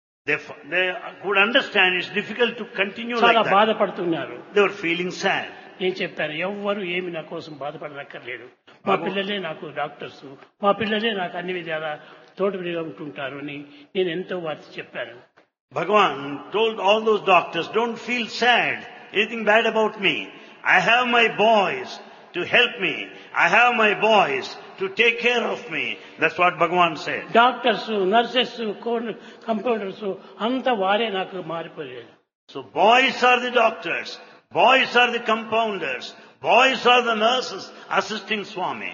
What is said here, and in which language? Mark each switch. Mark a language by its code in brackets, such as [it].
[en] They could understand it's difficult to continue like that. [te] చాలా బాధపడుతున్నారు. [en] They were feeling sad. [te] నేను చెప్పాను ఎవ్వరు ఏమి నా కోసం బాధపడనక్కర్లేదు. మా పిల్లలే నాకు డాక్టర్స్, మా పిల్లలే నాకు అన్ని విధాల తోటపనిగా ఉంటుంటారు అని నేను ఎంతో వారికి చెప్పాను. [en] Bhagavan told all those doctors don't feel sad anything bad about me. I have my boys to help me. I have my boys to take care of me. That's what Bhagavan said. Doctors, nurses, computers, [te] anta vare naaku maaripoyaru. [en] So boys are the doctors, boys are the compounders, boys are the nurses assisting Swami.